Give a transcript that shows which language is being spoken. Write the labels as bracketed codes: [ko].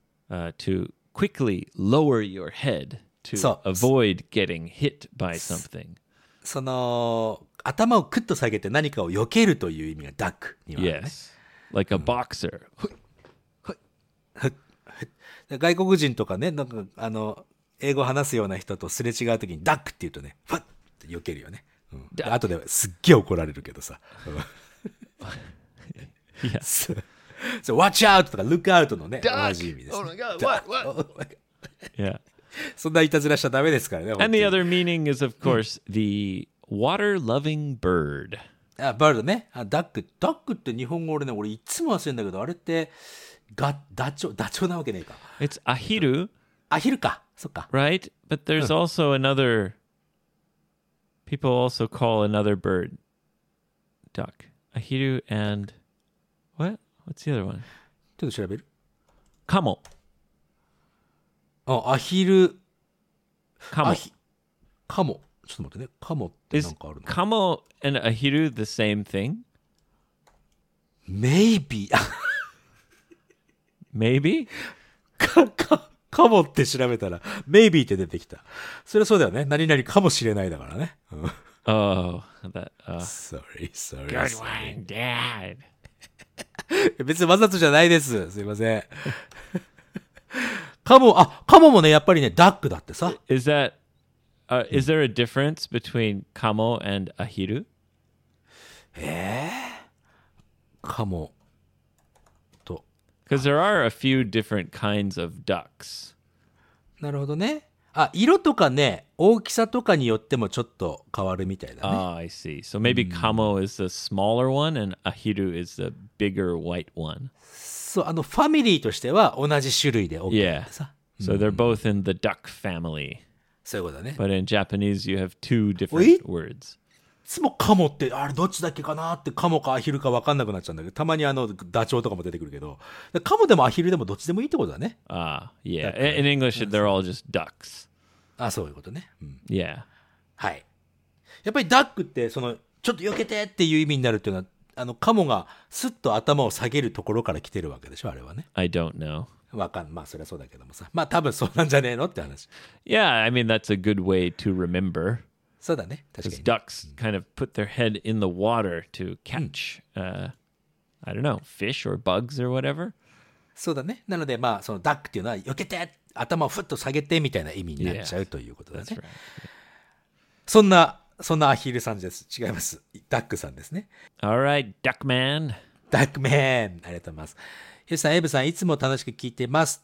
[en] to quickly lower your head to avoid getting hit by something. [ja] その、頭をクッと下げて何かを避けるという意味がダックにはあるね。 [en] Yes. Like a boxer. [ja] 外国人とかね、なんかあの英語話すような人とすれ違うときにダックって言うとね、ファッって避けるよね。うん、あとではすっげえ怒られるけどさ。 [en] yes. So watch out [ja] とか [en] look out のね、 Duck! [ja] 同じ意味です、ね。 [en] Oh my god! What? What? yeah. [ja] そんないたずらしちゃダメですからね。 [en] And the other meaning is of course the water-loving bird. [ja] あ、バードね。あ、ダック。ダックって日本語俺ね、俺いつも忘れるんだけど、あれってダチョウなわけねえか。 [en] It's アヒル。 [ja] アヒルか。そっか。 [en] Right? But there's also another... People also call another bird duck. アヒル and... What? What's the other one? [ja] ちょっと調べる。カモ。あ、アヒル。カモ。カモ。ちょっと待ってね。カモってなんかあるの。 [en] Is カモ and アヒル the same thing? Maybe. Maybe? [ja] カモって調べたら、Maybe って出てきた。それはそうだよね。何々かもしれないだからね。 [en] oh, that... Sorry, sorry, sorry. Good one, Dad. [ja] 別にわざとじゃないです。すいません。カモ、あ、カモもね、やっぱりね、ダックだってさ。 [en] Is that... is there a difference between カモ and アヒル? [ja] カモと。 [en] Because there are a few different kinds of ducks. [ja] なるほどね。あ、色とかね、大きさとかによってもちょっと変わるみたいだね。 [en] Ah, I see. So maybe カモ is the smaller one and アヒル is the bigger white one. [ja] そう、あのファミリーとしては同じ種類で大きいさ。 [en] Yeah. So they're both in the duck family. [ja] そういうことだね。 [en] But in Japanese, you have two different words. [ja] いつもカモって、あれどっちだっけかなって、カモかアヒルか分かんなくなっちゃうんだけど、たまにあのダチョウとかも出てくるけど、カモでもアヒルでもどっちでもいいってことだね。 [en] ああ、yeah. In English, they're all just ducks. [ja] あ、そういうことね。うん、 [en] yeah. [ja] はい。やっぱりダックって、その、ちょっと避けてっていう意味になるっていうのは、あのカモがスッと頭を下げるところから来てるわけでしょ、あれはね。 [en] I don't know. [ja] わかんまあそれはそうだけどもさまあ多分そうなんじゃねえのって話。 [en] Yeah, I mean that's a good way to remember. [ja] そうだね確かに。 [en] Because ducks kind of put their head in the water to catch,、I don't know, fish or bugs or whatever. [ja] そうだね。なのでまあそのダックっていうのは避けて頭をふっと下げてみたいな意味になっちゃうということだね。そんなアヒルさんです。違います。ダックさんですね。 [en] All right, Duckman. [ja] Duckman, ありがとうございます。ヨシさん、エブさん、いつも楽しく聞いてます。